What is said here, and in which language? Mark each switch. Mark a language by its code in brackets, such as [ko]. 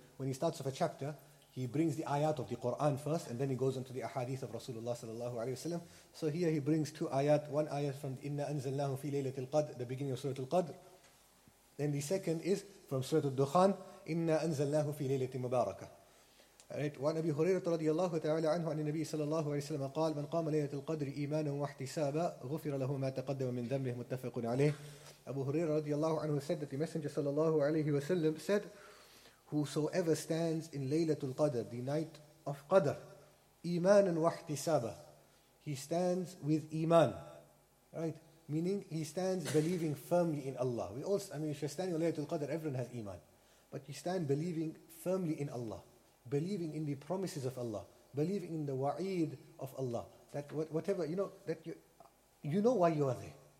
[en] When he starts off a chapter, he brings the ayat of the Quran first, and then he goes on to the ahadith of Rasulullah sallallahu alayhi wa sallam. So here he brings two ayat, one ayat from [ar] Inna anzalnahu fi laylatil qadr, [en] the beginning of Surah Al-Qadr. Then the second is from Surah Al-Dukhan, [ar] إِنَّا أَنزَلْنَاهُ فِي لَيْلَةٍ مُبَارَكَةٍ. [en] Right. [ar] وعن أبي هريرة رضي الله تعالى عنه عن النبي صلى الله عليه وسلم قال من قام ليلة القدر إيمانا واحتسابا غفر له ما تقدم من ذنبه متفق عليه. [en] أبو هريرة رضي الله عنه said that the messenger صلى الله عليه وسلم said, whosoever stands in ليلة القدر, the night of قدر, [ar] إيمانا واحتسابا, [en] he stands with إيمان. Right. Meaning he stands believing firmly in Allah. If you're standing on ليلة القدر, everyone has إيمان. But you stand believing firmly in Allah, believing in the promises of Allah, believing in the wa'id of Allah, that whatever, you know, that you know why you are there.